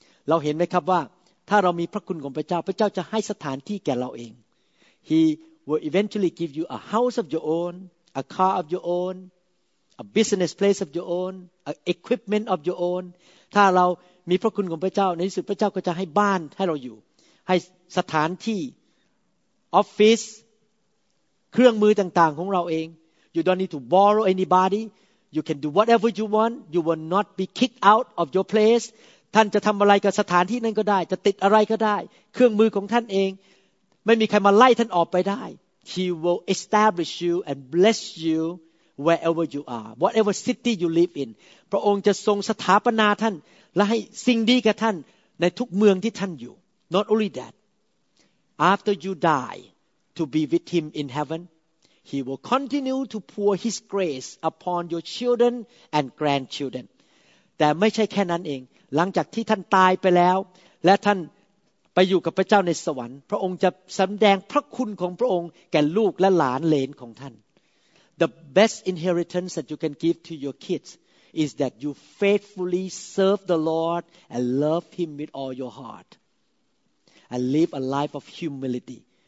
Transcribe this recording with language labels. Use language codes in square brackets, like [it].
[th] เราเห็นไหมครับว่าถ้าเรามีพระคุณของพระเจ้าพระเจ้าจะให้สถานที่แก่เราเอง [en] He will eventually give you a house of your own, a car of your own, a business place of your own, a equipment of your own. [th] ถ้าเรามีพระคุณของพระเจ้าในที่สุดพระเจ้าก็จะให้บ้านให้เราอยู่ให้สถานที่ office เครื่องมือต่างๆของเราเอง [en] You don't need to borrow anybody. You can do whatever you want. You will not be kicked out of your place. [th] ท่านจะทำอะไรกับสถานที่นั้นก็ได้จะติดอะไรก็ได้เครื่องมือของท่านเองไม่มีใครมาไล่ท่านออกไปได้ [en] He will establish you and bless you wherever you are. Whatever city you live in. [th] พระองค์จะทรงสถาปนาท่านและให้สิ่งดีกับท่านในทุกเมืองที่ท่านอยู่ [en] Not only that. After you die to be with him in heaven,He will continue to pour His grace upon your children and grandchildren. [th] But ไม่ใช่แค่นั้นเองหลังจากที่ท่านตายไปแล้วและท่านไปอยู่กับพระเจ้าในสวรรค์พระองค์จะสำแดงพระคุณของพระองค์แก่ลูกและหลานเหลนของท่าน [en] The best inheritance that you can give to your kids is that you faithfully serve the Lord and love Him with all your heart and live a life of humility.